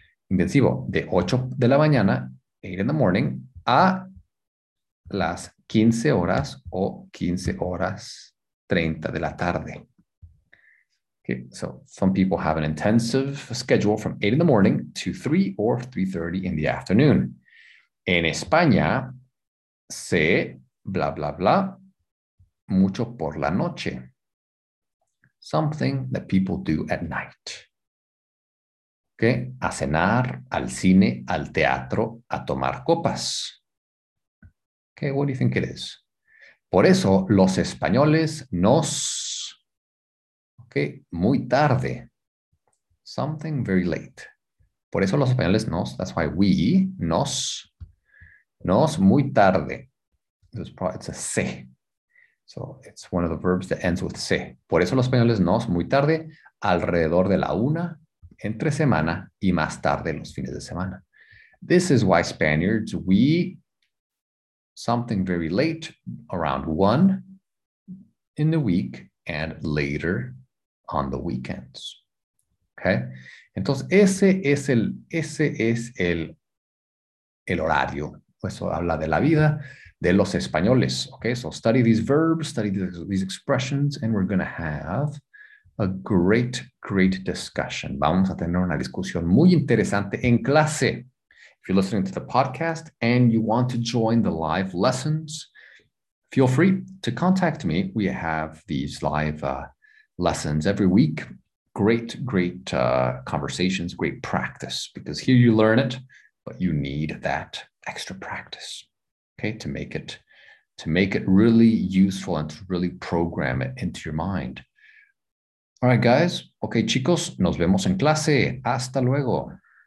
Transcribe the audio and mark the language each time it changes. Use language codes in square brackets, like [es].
[es] Intensivo, de 8 de la mañana, [en] 8 in the morning, [es] a las 15 horas o 15 horas 30 de la tarde. [en] Okay, so some people have an intensive schedule from 8 in the morning to 3 or 3:30 in the afternoon. En España se bla bla bla mucho por la noche. Something that people do at night. [es] Okay, a cenar, al cine, al teatro, a tomar copas. [en] Okay, what do you think it is? [es] Por eso los españoles nos... [en] Okay, [es] muy tarde. [en] Something very late. [es] Por eso los españoles nos... [en] That's why we, [es] nos... Nos muy tarde. [en] It's a C. So it's one of the verbs that ends with C. [es] Por eso los españoles nos muy tarde, alrededor de la una, entre semana y más tarde los fines de semana. [en] This is why Spaniards, we... Something very late, around one in the week and later on the weekends. [es] Okay? Entonces, ese es el horario. Eso habla de la vida de los españoles. [en] Okay? So study these verbs, study these expressions, and we're going to have a great, great discussion. [es] Vamos a tener una discusión muy interesante en clase. [en] If you're listening to the podcast and you want to join the live lessons, feel free to contact me. We have these live lessons every week. Great, great conversations, great practice, because here you learn it, but you need that extra practice, okay, to make it really useful and to really program it into your mind. All right, guys. [es] Okay, chicos, nos vemos en clase. Hasta luego.